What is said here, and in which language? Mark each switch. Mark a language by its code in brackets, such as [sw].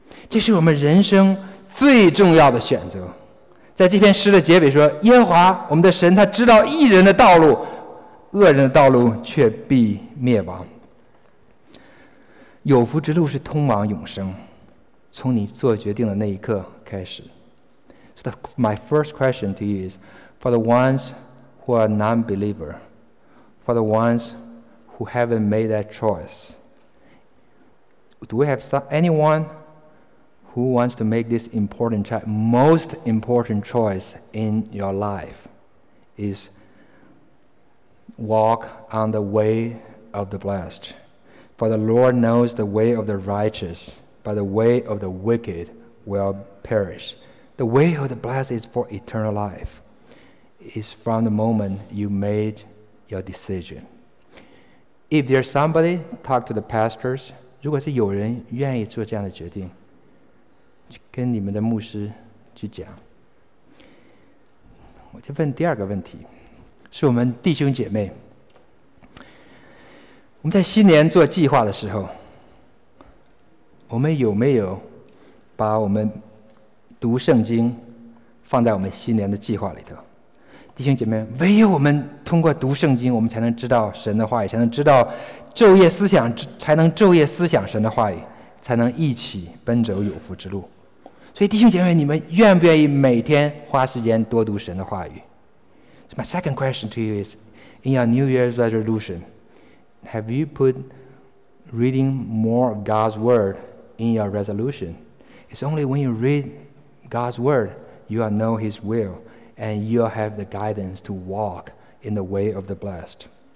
[zh] 这是我们人生最重要的选择。在这篇诗的结尾说，耶和华我们的神，他知道义人的道路，恶人的道路却必灭亡。有福之路是通往永生，从你做决定的那一刻开始。 [en] So my first question to you is, for the ones who are non-believer, for the onesWho haven't made that choice? Do we have anyone who wants to make this important choice, most important choice in your life? Is walk on the way of the blessed. For the Lord knows the way of the righteous, but the way of the wicked will perish. The way of the blessed is for eternal life. It's from the moment you made your decision. If there's somebody, talk to the pastors. [zh] 如果是有人愿意做这样的决定，跟你们的牧师去讲。我就问第二个问题，是我们弟兄姐妹。我们在新年做计划的时候，我们有没有把我们读圣经放在我们新年的计划里头？弟兄姐妹，唯有我们通过读圣经，我们才能知道神的话语，才能知道昼夜思想，才能昼夜思想神的话语，才能一起奔走有福之路。所以弟兄姐妹，你们愿不愿意每天花时间多读神的话语？ [en] So my second question to you is, in your New Year's resolution, have you put reading more of God's word in your resolution? It's only when you read God's word, you will know his willAnd you'll have the guidance to walk in the way of the blessed.